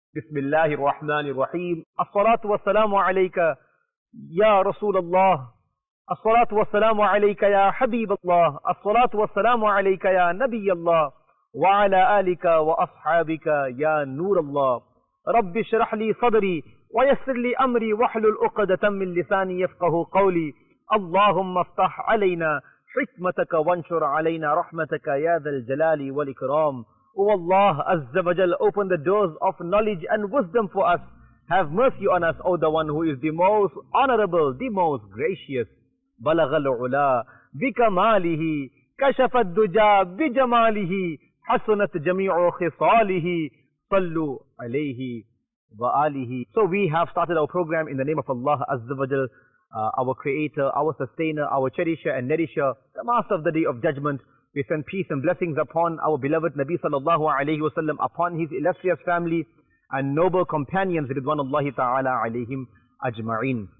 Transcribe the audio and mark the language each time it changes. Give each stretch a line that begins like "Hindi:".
Arabic: بسم الله الرحمن الرحيم. الصلاة والسلام عليك يا رسول الله، الصلاة والسلام عليك يا حبيب الله، الصلاة والسلام عليك يا نبي الله، وعلى آلك وأصحابك يا نور الله. رب اشرح لي صدري ويسر لي امري واحلل عقدة من لساني يفقه قولي. اللهم افتح علينا حكمتك وانشر علينا رحمتك يا ذا الجلال والاكرام.
English: Oh Allah Azza wa Jal, open the doors of knowledge and wisdom for us. Have mercy on us, O the one who is the most honorable, the most gracious.
Arabic: بلغ العلا بكماله كشف الدجا بجماله حسنت جميع خصاله صلوا عليه وآله.
English: So we have started our program in the name of Allah Azza wa Jal, our creator, our sustainer, our cherisher and nourisher, the master of the day of judgment. We send peace and blessings upon our beloved Nabi sallallahu alayhi wasallam, upon his illustrious family and noble companions,
Arabic: ridwanullahi ta'ala alayhim ajma'in.